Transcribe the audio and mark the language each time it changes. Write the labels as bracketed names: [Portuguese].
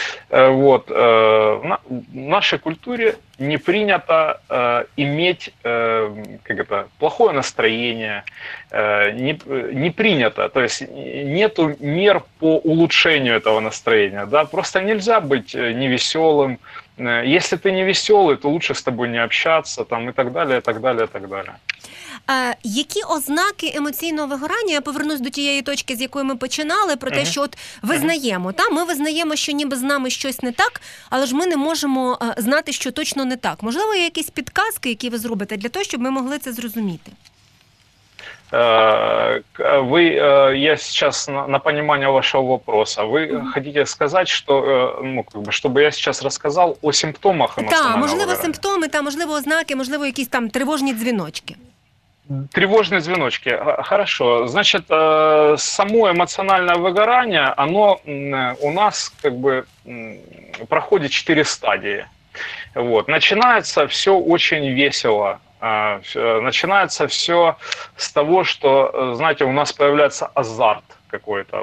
[Russian] вот, в нашей культуре не принято иметь как это, плохое настроение, не принято, то есть нету мер по улучшению этого настроения, да, просто нельзя быть невеселым, если ты невеселый, то лучше с тобой не общаться, там, и так далее, и так далее, и так далее. [Ukrainian] Які ознаки емоційного вигорання? Я повернусь до тієї точки, з якої ми починали, про те, що от визнаємо, та? Ми визнаємо, що ніби з нами щось не так, але ж ми не можемо знати, що точно не так. Можливо, є якісь підказки, які ви зробите для того, щоб ми могли це зрозуміти? [Russian] Я сейчас на понимание вашего вопроса. Вы хотите сказать, что, ну, как бы, чтобы я сейчас рассказал о симптомах эмоционального [Ukrainian] Так, можливо, симптоми, та, можливо, ознаки, можливо, якісь там тривожні дзвіночки. [Russian] Тревожные звеночки. Хорошо. Значит, само эмоциональное выгорание, оно у нас как бы проходит 4 стадии. Вот. Начинается все очень весело. Начинается все с того, что, знаете, у нас появляется азарт какой-то.